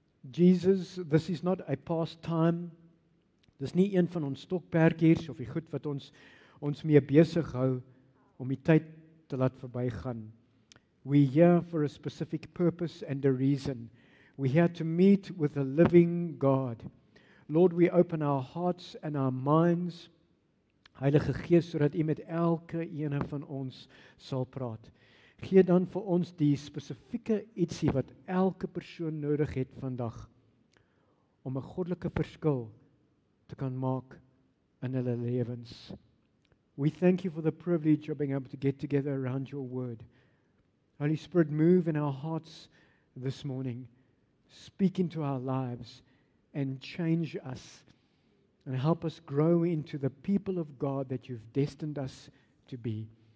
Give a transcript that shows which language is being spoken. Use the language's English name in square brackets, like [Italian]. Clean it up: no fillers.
[English] Jesus, this is not a past time. [Afrikaans] Dis nie een van ons stokperdjies of die goed wat ons mee besig hou om die tyd te laat verbygaan. [English] We're here for a specific purpose and a reason. We're here to meet with the living God. Lord, we open our hearts and our minds, [Afrikaans] Heilige Gees, sodat U met elke een van ons sal praat. Gee dan vir ons die spesifieke ietsie wat elke persoon nodig het vandag om 'n goddelike verskil te kan maak in hulle lewens. [English] We thank you for the privilege of being able to get together around your word. Holy Spirit, move in our hearts this morning. Speak into our lives and change us and help us grow into the people of God that you've destined us to be.